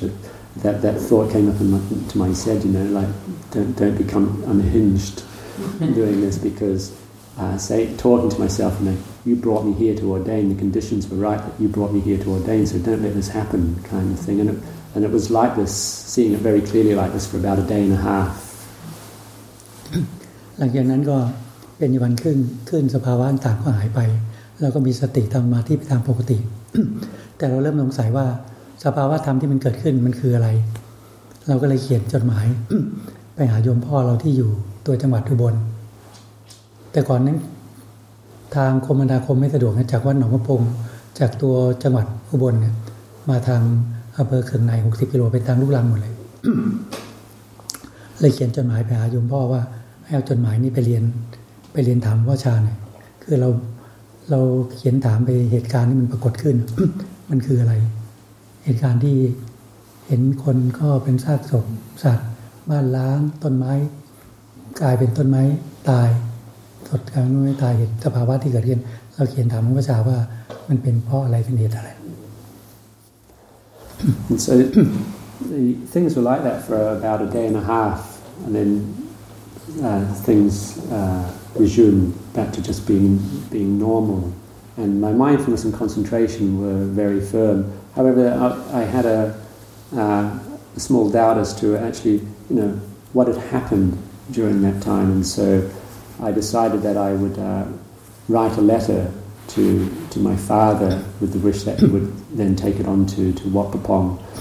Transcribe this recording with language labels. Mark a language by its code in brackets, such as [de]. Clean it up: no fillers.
[en] But that thought came up into my head, you know, like, don't become unhinged doing this, because, say, talking to myself, you know, you brought me here to ordain, the conditions were right that you brought me here to ordain, so don't let this happen, kind of thing. And it was like this, seeing it very clearly like this for about a day and a half. [th] หลังจากนั้นก็เป็นวันครึ่งขึ้นสภาวะต่างก็หายไปแล้วก็มีสติธรรมมาที่ตามปกติ แต่เราเริ่มสงสัยว่าสภาวะธรรมที่มันเกิดขึ้นมันคืออะไรเราก็เลยเขียนจดหมาย ไปหาโยมพ่อเราที่อยู่ตัวจังหวัดอุบลแต่ก่อนนั้นทางคมนาคมไม่สะดวกจากวัดหนองประพงษ์จากตัวจังหวัดอุบลเนี่ยมาทางอำเภอเคืองใน60กิโลเป็นทางลูกลังหมดเลย เลยเขียนจดหมายไปหาโยมพ่อว่าให้เอาจดหมายนี้ไปเรียนถามพ่อชาหน่อยคือเราเขียนถามไปเหตุการณ์ที่มันปรากฏขึ้น มันคืออะไรเหตุการณ์ที่เห็นคนก็เป็นซากศพสัตว์บ้านล้างต้นไม้กลายเป็นต้นไม้ตายสดกลางไม้ตายเหตุสภาวะที่เกิดขึ้นเราเขียนถามพ่อชาว่ามันเป็นเพราะอะไรเป็นเหตุอะไร [en] and so things were like that for about a day and a half and thenthings resumed back to just being normal, and my mindfulness and concentration were very firm. However, I had a small doubt as to actually, you know, what had happened during that time, and so I decided that I would write a letter to my father with the wish that he would then take it on to Wat Phopong.